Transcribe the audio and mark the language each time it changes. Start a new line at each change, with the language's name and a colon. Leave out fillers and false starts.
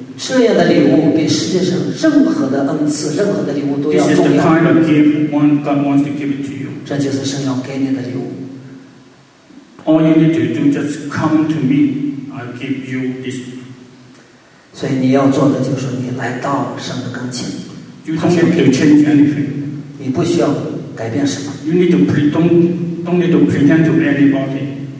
Chinese: 这样的礼物比世界上任何的恩赐、任何的礼物都要重要。
English: This is the kind of gift one God wants to give it to you.
Chinese: 这就是神要给你的礼物。
English: All you need to do just come to me, I'll give you this.
Chinese: 所以你要做的就是你来到神的跟前。
English: You don't need to change anything.
Chinese: 你不需要改变什么。
English: You need to don't need to pretend to anybody.